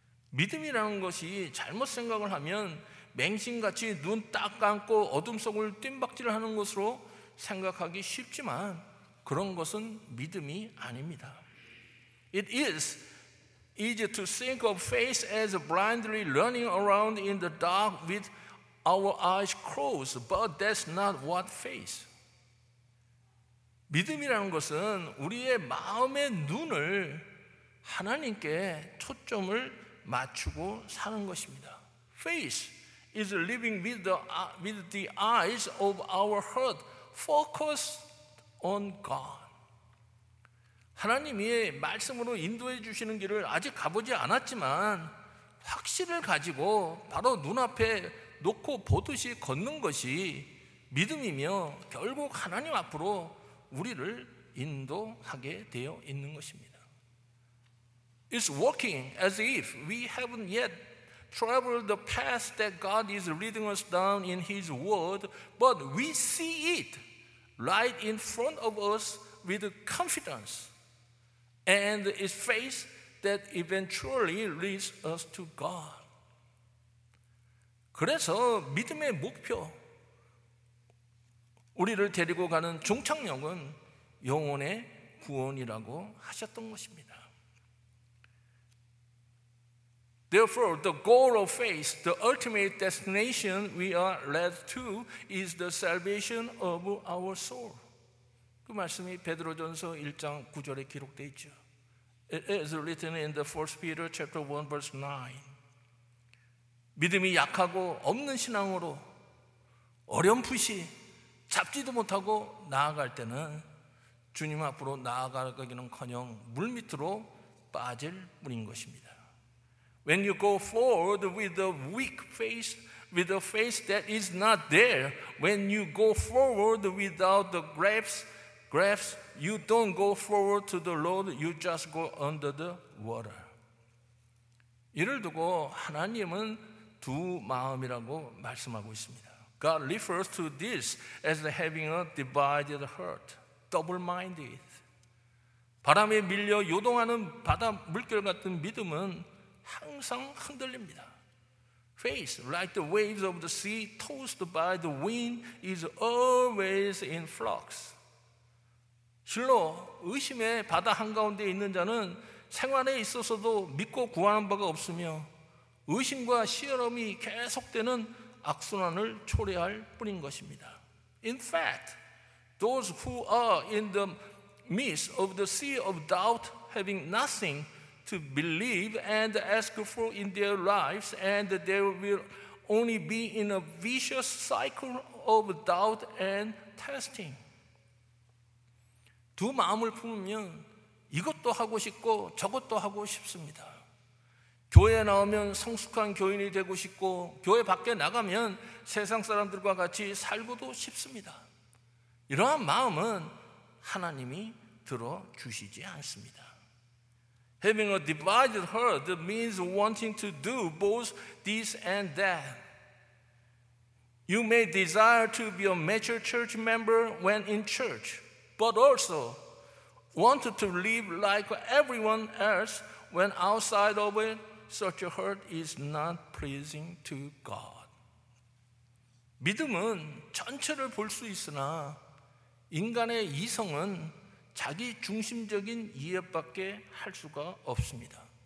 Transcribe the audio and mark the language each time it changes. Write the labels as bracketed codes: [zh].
[ko] 믿음이라는 것이 잘못 생각을 하면 맹신같이 눈 딱 감고 어둠 속을 뜀박질하는 것으로 생각하기 쉽지만 그런 것은 믿음이 아닙니다. [en] It is easy to think of faith as blindly running around in the dark with our eyes closed, but that's not what faith. [ko] 믿음이라는 것은 우리의 마음의 눈을 하나님께 초점을 맞추고 사는 것입니다. [en] Faith is living with the eyes of our heart focused on God. [ko] 하나님이 말씀으로 인도해 주시는 길을 아직 가보지 않았지만 확신을 가지고 바로 눈앞에 놓고 보듯이 걷는 것이 믿음이며 결국 하나님 앞으로 우리를 인도하게 되어 있는 것입니다. [en] It's walking as if we haven't yet traveled the path that God is leading us down in His Word, but we see it right in front of us with confidence and it's faith that eventually leads us to God. [ko] 그래서 믿음의 목표, 우리를 데리고 가는 종착역은 영혼의 구원이라고 하셨던 것입니다. [en] Therefore, the goal of faith, the ultimate destination we are led to is the salvation of our soul. [ko] 그 말씀이 베드로전서 1장 9절에 기록되어 있죠. [en] It is written in the 1 Peter chapter 1 verse 9. [ko] 믿음이 약하고 없는 신앙으로 어렴풋이 잡지도 못하고 나아갈 때는 주님 앞으로 나아가기는커녕 물 밑으로 빠질 뿐인 것입니다. [en] When you go forward with a weak faith, with a faith that is not there, when you go forward without the grasp, you don't go forward to the Lord, you just go under the water. [ko] 이를 두고 하나님은 두 마음이라고 말씀하고 있습니다. [en] God refers to this as having a divided heart, double-minded. [ko] 바람에 밀려 요동하는 바다 물결 같은 믿음은 항상 흔들립니다. [en] Faith, like the waves of the sea tossed by the wind, is always in flux. [ko] 실로 의심의 바다 한가운데 있는 자는 생활에 있어서도 믿고 구하는 바가 없으며 의심과 시험이 계속되는 악순환을 초래할 뿐인 것입니다. [en] In fact, those who are in the midst of the sea of doubt, having nothing to believe and ask for in their lives, and they will only be in a vicious cycle of doubt and testing. [ko] 두 마음을 품으면 이것도 하고 싶고 저것도 하고 싶습니다. 교회에 나오면 성숙한 교인이 되고 싶고 교회 밖에 나가면 세상 사람들과 같이 살고도 싶습니다. 이러한 마음은 하나님이 들어주시지 않습니다. [en] Having a divided heart means wanting to do both this and that. You may desire to be a mature church member when in church, but also want to live like everyone else when outside of it. Such a heart is not pleasing to God. [ko] 믿음은 전체를 볼 수 있으나 인간의 이성은 자기 중심적인 이해밖에 할 수가 없습니다.